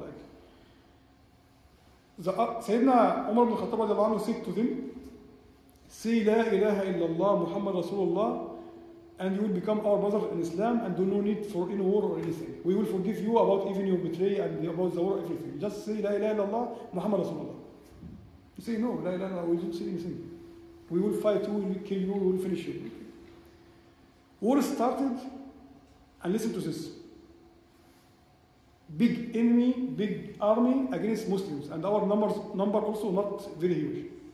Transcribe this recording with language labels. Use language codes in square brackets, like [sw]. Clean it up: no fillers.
[en] Like, Sayyidina Umar ibn al-Khattab radiallahu anhu said to them, say [ar] لا إله إلا الله محمد رسول الله [en] and you will become our brother in Islam and do no need for any war or anything. We will forgive you about even your betray and about the war or everything. Just say [ar] لا إله إلا الله محمد رسول الله. [en] You say no, [ar] لا إله إلا الله, [en] we don't say anything. We will fight you, we will kill you, we will finish you. War started, and listen to this. Big enemy, big army against Muslims, and our number also not very huge.